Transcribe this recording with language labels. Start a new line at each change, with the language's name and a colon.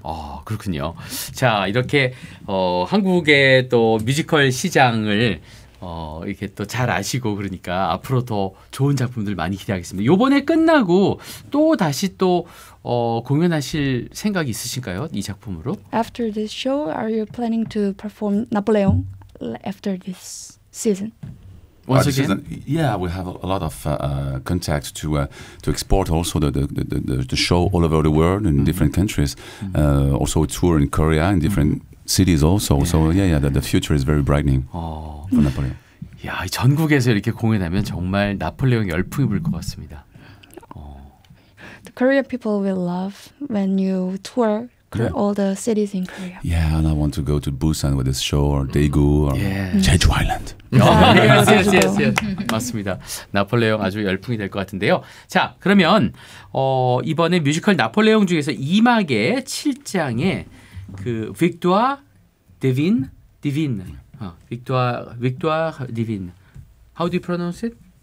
Korean: 아, 그렇군요. 자, 이렇게 한국의 또 뮤지컬 시장을 이렇게 또 잘 아시고 그러니까 앞으로 더 좋은 작품들 많이 기대하겠습니다. 이번에 끝나고 또 다시 또 공연하실 생각이 있으신가요? 이 작품으로?
English: After this show, are you planning to perform Napoleon after this season? Once again? Season, yeah, we have a lot of contact to export also the show all over the world in different countries. Also a tour in Korea in different cities also. Yeah. So yeah, the future is very brightening for Napoleon.
Korean: 야, 전국에서 이렇게 공연하면 정말 나폴레옹 열풍이 불 것 같습니다.
English: The Korean people will love when you tour all the cities in Korea. Yeah, and I want to go to Busan with this show or Daegu or Jeju Island.
Korean: yes. 맞습니다. 나폴레옹 아주 열풍이 될 것 같은데요. 자, 그러면 이번에 뮤지컬 나폴레옹 중에서 2막의 7장에 그 빅토아 디빈 빅토아 빅토아 디빈
English: How do you pronounce it?